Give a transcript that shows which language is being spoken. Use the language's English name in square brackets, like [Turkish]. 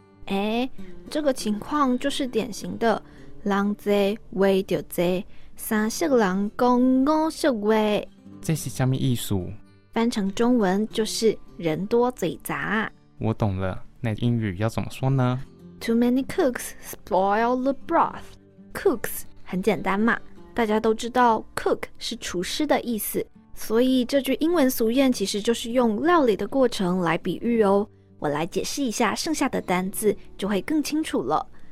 [Chinese] 哎，这个情况就是典型的人多话就多，三色人讲五色话。这是什么意思？翻成中文就是人多嘴杂。我懂了，那英语要怎么说呢？ [English] Too many cooks spoil the broth. [Chinese] Cooks 很简单嘛，大家都知道 cook 是厨师的意思，所以这句英文俗谚其实就是用料理的过程来比喻哦。我来解释一下剩下的单字就会更清楚了。